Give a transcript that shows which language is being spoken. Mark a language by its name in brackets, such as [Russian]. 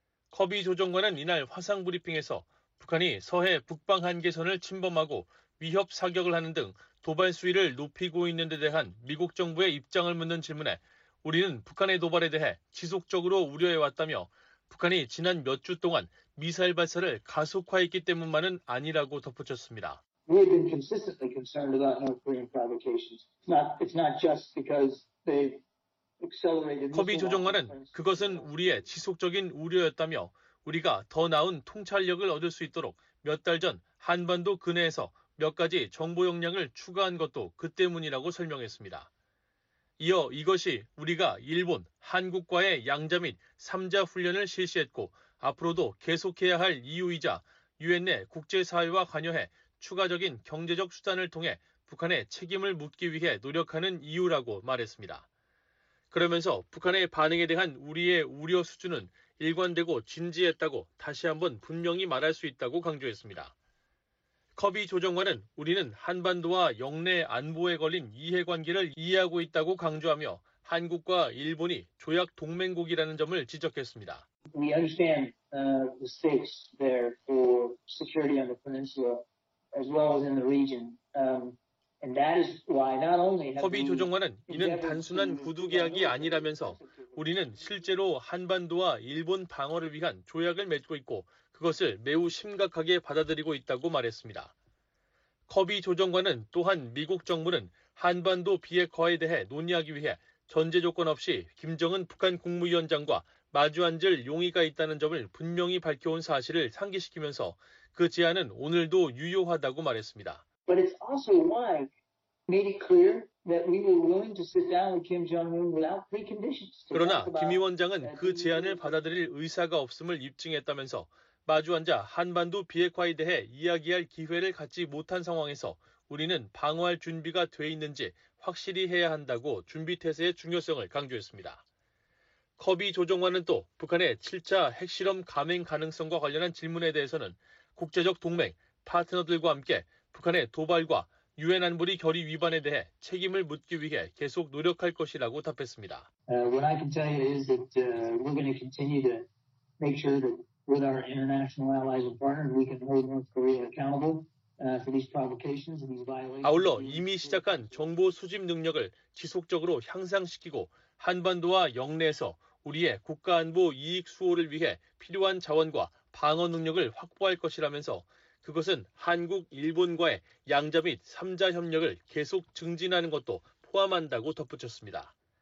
[Korean] 커비 조정관은 이날 화상 브리핑에서 북한이 서해 북방 한계선을 침범하고 위협 사격을 하는 등 도발 수위를 높이고 있는 데 대한 미국 정부의 입장을 묻는 질문에 우리는 북한의 도발에 대해 지속적으로 우려해왔다며 북한이 지난 몇 주 동안 미사일 발사를 가속화했기 때문만은 아니라고 덧붙였습니다. [English] We've been consistently concerned about North Korean provocations. It's not just because they've accelerated. [Korean] 커비 조정관은 그것은 우리의 지속적인 우려였다며 우리가 더 나은 통찰력을 얻을 수 있도록 몇 달 전 한반도 근해에서 몇 가지 정보 역량을 추가한 것도 그 때문이라고 설명했습니다. 이어 이것이 우리가 일본, 한국과의 양자 및 3자 훈련을 실시했고 앞으로도 계속해야 할 이유이자 유엔 내 국제사회와 관여해 추가적인 경제적 수단을 통해 북한의 책임을 묻기 위해 노력하는 이유라고 말했습니다. 그러면서 북한의 반응에 대한 우리의 우려 수준은 일관되고 진지했다고 다시 한번 분명히 말할 수 있다고 강조했습니다. 커비 조정관은 우리는 한반도와 영내 안보에 걸린 이해관계를 이해하고 있다고 강조하며 한국과 일본이 조약 동맹국이라는 점을 지적했습니다. [English] We understand the stakes there for security on the peninsula as well as in the region. And that is why not only [Korean] 커비 조정관은 이는 단순한 구두계약이 아니라면서 우리는 실제로 한반도와 일본 방어를 위한 조약을 맺고 있고 그것을 매우 심각하게 받아들이고 있다고 말했습니다. 커비 조정관은 또한 미국 정부는 한반도 비핵화에 대해 논의하기 위해 전제 조건 없이 김정은 북한 국무위원장과 마주앉을 용의가 있다는 점을 분명히 밝혀온 사실을 상기시키면서 그 제안은 오늘도 유효하다고 말했습니다. [English] But it's also why made it clear that we were willing to sit down with Kim Jong-un without preconditions. [Korean] 그러나 김 위원장은 그 제안을 받아들일 의사가 없음을 입증했다면서 마주앉아 한반도 비핵화에 대해 이야기할 기회를 갖지 못한 상황에서 우리는 방어할 준비가 돼 있는지 확실히 해야 한다고 준비 태세의 중요성을 강조했습니다. 커비 조정관은 또 북한의 7차 핵실험 감행 가능성과 관련한 질문에 대해서는 국제적 동맹, 파트너들과 함께 북한의 도발과 유엔 안보리 결의 위반에 대해 책임을 묻기 위해 계속 노력할 것이라고 답했습니다. [English] What I can tell you is that we're going to continue to make sure that with our international allies and partners we can hold North Korea accountable for these provocations and these violations. [Korean] 아울러 이미 시작한 정보 수집 능력을 지속적으로 향상시키고 한반도와 영내에서 우리의 국가 안보 이익 수호를 위해 필요한 자원과 방어 능력을 확보할 것이라면서 그것은 한국, 일본과의 양자 및 3자 협력을 계속 증진하는 것도 포함한다고 덧붙였습니다.